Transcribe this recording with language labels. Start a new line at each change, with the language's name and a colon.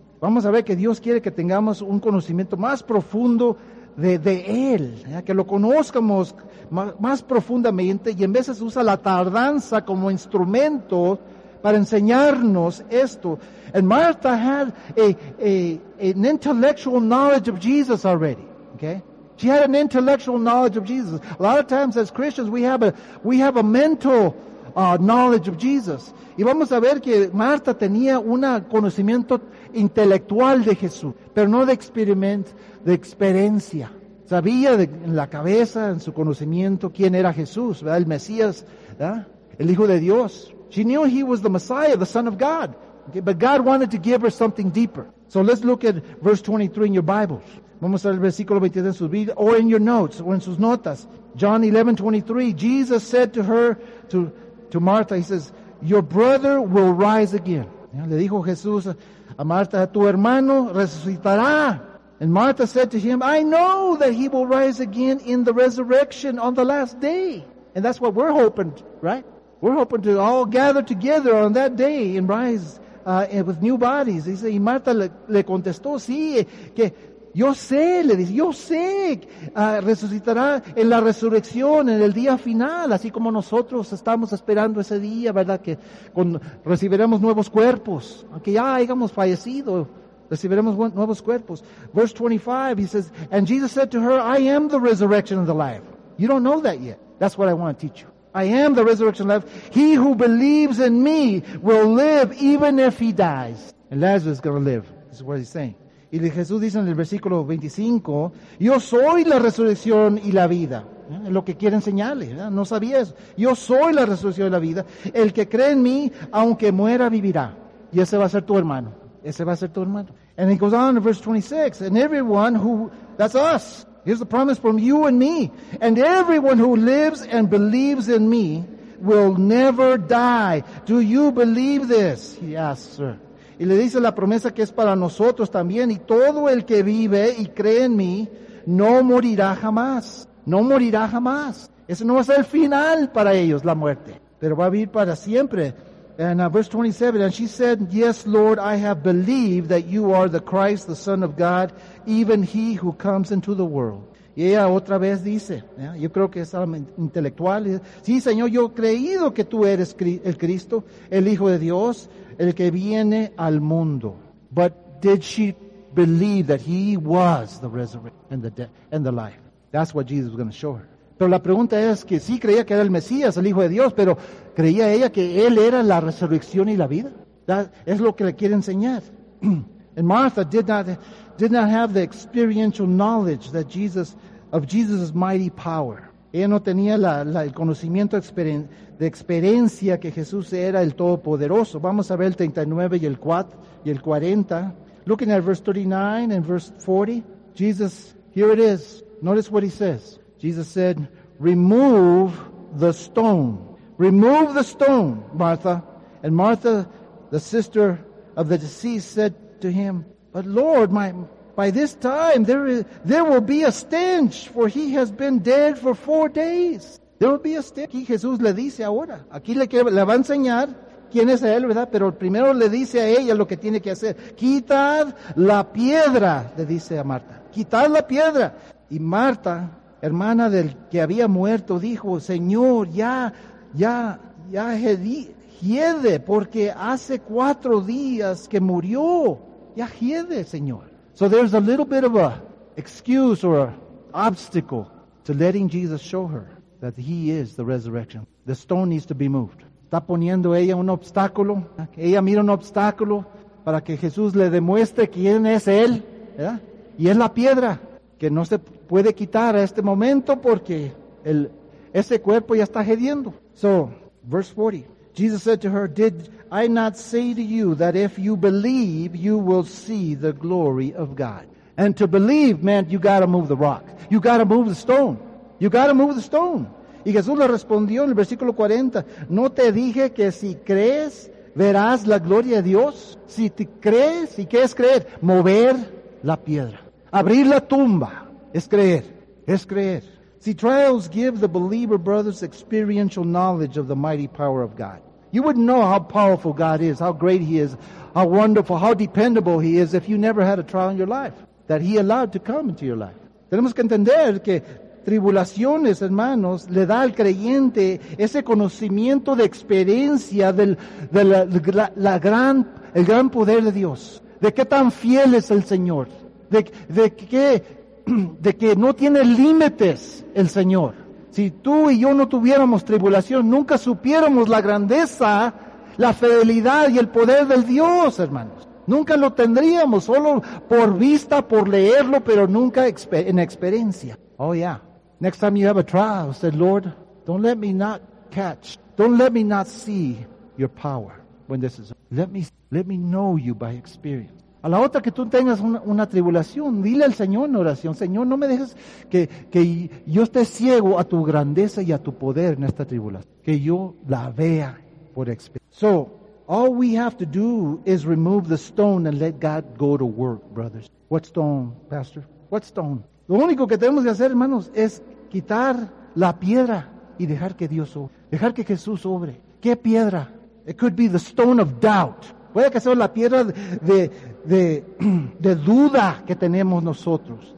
Spanish: Vamos a ver que Dios quiere que tengamos un conocimiento más profundo de Él, que lo conozcamos más profundamente, y en veces usa la tardanza como instrumento para enseñarnos esto.
English: And Martha had an intellectual knowledge of Jesus already. Okay? She had an intellectual knowledge of Jesus. A lot of times as Christians we have a mental knowledge of Jesus.
Spanish: Y vamos a ver que Martha tenía un conocimiento intelectual de Jesús, pero no de experiencia. Sabía en la cabeza, en su conocimiento, quién era Jesús, ¿verdad? El Mesías, ¿verdad? El Hijo de Dios.
English: She knew he was the Messiah, the Son of God. Okay? But God wanted to give her something deeper. So let's look at verse 23 in your Bibles.
Spanish: Vamos a ver el versículo 23 en sus Biblias,
English: or in your notes,
Spanish: o en sus notas.
English: John 11:23, Jesus said to her, to Martha, he says, your brother will rise again. ¿Ya?
Spanish: Le dijo Jesús a Martha, tu hermano resucitará.
English: And Martha said to him, I know that he will rise again in the resurrection on the last day. And that's what we're hoping, right? We're hoping to all gather together on that day and rise with new bodies. He said,
Spanish: y Martha le contestó, sí, que yo sé, le dice, yo sé, resucitará en la resurrección, en el día final, así como nosotros estamos esperando ese día, ¿verdad? Que recibiremos nuevos cuerpos, aunque ya hayamos fallecido. Recibiremos nuevos cuerpos.
English: Verse 25, he says, and Jesus said to her, I am the resurrection and the life. You don't know that yet. That's what I want to teach you. I am the resurrection and life. He who believes in me will live even if he dies. And Lazarus is going to live. This is what he's saying.
Spanish: Y Jesús dice en el versículo 25, yo soy la resurrección y la vida. Lo que quiere enseñarle, ¿verdad? No sabía eso. Yo soy la resurrección y la vida. El que cree en mí, aunque muera, vivirá. Y ese va a ser tu hermano. Ese va a ser tu hermano.
English: And he goes on to verse 26. And everyone who, that's us. Here's the promise from you and me. And everyone who lives and believes in me will never die. Do you believe this? Yes, sir.
Spanish: Y le dice la promesa que es para nosotros también. Y todo el que vive y cree en mí no morirá jamás. No morirá jamás. Ese no va a ser el final para ellos, la muerte. Pero va a vivir para siempre.
English: And verse 27, and she said, yes, Lord, I have believed that you are the Christ, the Son of God, even he who comes into the world.
Spanish: Y ella otra vez dice, ¿ya? Yo creo que es algo intelectual. Sí, Señor, yo he creído que tú eres el Cristo, el Hijo de Dios, el que viene al mundo.
English: But did she believe that he was the resurrection and the life? That's what Jesus was going to show her.
Spanish: Pero la pregunta es que sí creía que era el Mesías, el Hijo de Dios, pero ¿creía ella que Él era la resurrección y la vida? That es lo que le quiere enseñar.
English: And Martha did not have the experiential knowledge that Jesus of Jesus' mighty power.
Spanish: Ella no tenía el conocimiento de experiencia que Jesús era el Todopoderoso. Vamos a ver el 39 y el 40.
English: Looking at verse 39 and verse 40, Jesus, here it is. Notice what he says. Jesus said, "Remove the stone. Remove the stone, Martha." And Martha, the sister of the deceased, said to him, "But Lord, by this time there will be a stench, for he has been dead for 4 days." There will be a stench.
Spanish: Aquí Jesús le dice ahora. Aquí le va a enseñar quién es él, ¿verdad? Pero primero le dice a ella lo que tiene que hacer. Quitad la piedra, le dice a Marta. Quitad la piedra. Y Marta, hermana del que había muerto, dijo, "Señor, ya hiede, porque hace 4 días que murió. Ya hiede, Señor."
English: So there's a little bit of a excuse or an obstacle to letting Jesus show her that he is the resurrection. The stone needs to be moved.
Spanish: Está poniendo ella un obstáculo. Ella mira un obstáculo para que Jesús le demuestre quién es él, ¿verdad? Y es la piedra que no se puede quitar a este momento porque ese cuerpo ya está hediendo.
English: So, verse 40. Jesus said to her, "Did I not say to you that if you believe, you will see the glory of God?" And to believe meant you got to move the rock. You got to move the stone. You got to move the stone.
Spanish: Y Jesús le respondió en el versículo 40, "¿No te dije que si crees, verás la gloria de Dios?" Si te crees, ¿y qué es creer? Mover la piedra. Abrir la tumba. Es creer. Es creer.
English: See, trials give the believer brothers experiential knowledge of the mighty power of God. You wouldn't know how powerful God is, how great he is, how wonderful, how dependable he is if you never had a trial in your life that he allowed to come into your life.
Spanish: Tenemos que entender que tribulaciones, hermanos, le da al creyente ese conocimiento de experiencia el gran poder de Dios. De qué tan fiel es el Señor. De que no tiene límites el Señor. Si tú y yo no tuviéramos tribulación, nunca supiéramos la grandeza, la fidelidad y el poder del Dios, hermanos. Nunca lo tendríamos, solo por vista, por leerlo, pero nunca en experiencia.
English: Oh, yeah. Next time you have a trial, say, "Lord, don't let me not see your power when this is. Let me know you by experience."
Spanish: A la otra que tú tengas una tribulación, dile al Señor en oración, "Señor, no me dejes que yo esté ciego a tu grandeza y a tu poder en esta tribulación. Que yo la vea por experiencia."
English: So, all we have to do is remove the stone and let God go to work, brothers. What stone, Pastor? What stone?
Spanish: Lo único que tenemos que hacer, hermanos, es quitar la piedra y dejar que Dios obre. Dejar que Jesús obre. ¿Qué piedra?
English: It could be the stone of doubt.
Spanish: Puede que sea la piedra de duda que tenemos nosotros.